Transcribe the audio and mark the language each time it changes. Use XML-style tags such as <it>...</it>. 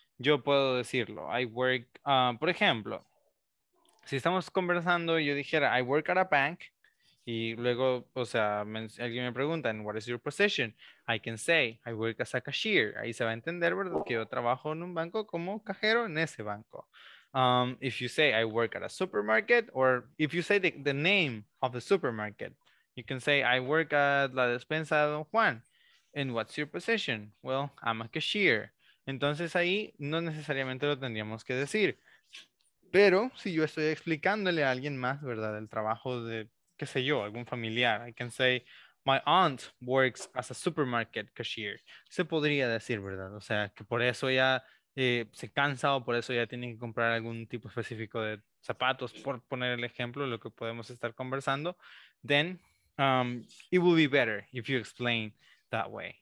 <es>Yo puedo decirlo. I work, por ejemplo, si estamos conversando y yo dijera</es> <en>I work at a bank,</en> <es>y luego, o sea, alguien me pregunta,</es> <en>and what is your position? I can say, I work as a cashier.</en> <es>Ahí se va a entender, ¿verdad? Que yo trabajo en un banco como cajero en ese banco.</es> <en>If you say, I work at a supermarket, or if you say the name of the supermarket, you can say, I work at la despensa de Don Juan. And what's your position? Well, I'm a cashier.</en> <es>Entonces ahí no necesariamente lo tendríamos que decir. Pero si yo estoy explicándole a alguien más, ¿verdad? El trabajo de... qué sé yo, algún familiar.</es> <en>I can say, my aunt works as a supermarket cashier.</en> <es>Se podría decir, ¿verdad? O sea, que por eso ya se cansa o por eso ya tiene que comprar algún tipo específico de zapatos, por poner el ejemplo, lo que podemos estar conversando.</es> <en>Then, it will be better if you explain that way.</en>